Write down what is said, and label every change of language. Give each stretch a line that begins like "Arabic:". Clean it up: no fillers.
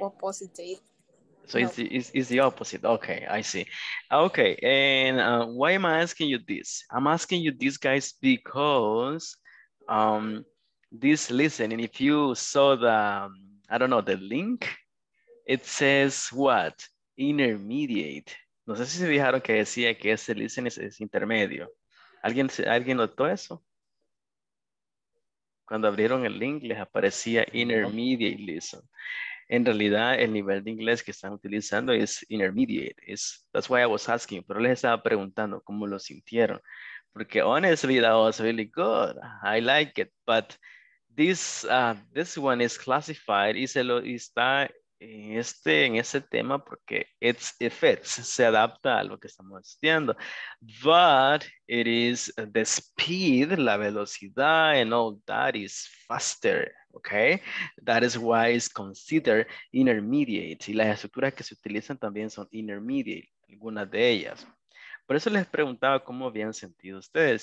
English: opposite. So it's the opposite. Okay, I see. Okay, and why am I asking you this? I'm asking you this, guys, because this listening, if you saw the link, it says what? Intermediate.
Spanish: No sé si se fijaron que decía que ese listening es intermedio. ¿Alguien notó eso? Cuando abrieron el link, les aparecía intermediate listen. En realidad, el nivel de inglés que están utilizando es intermediate.
English: That's why I was asking.
Spanish: Pero les estaba preguntando cómo lo sintieron. Porque
English: honestly, that was really good. I like it. But this one is classified.
Spanish: Y se lo está en ese tema porque
English: it's effects.
Spanish: Se adapta a lo que estamos estudiando.
English: But it is the speed,
Spanish: la velocidad,
English: and all that is faster. Okay? That is why it's considered intermediate.
Spanish: Y las estructuras que se utilizan también son intermediate, algunas de ellas. Por eso les preguntaba cómo habían sentido ustedes.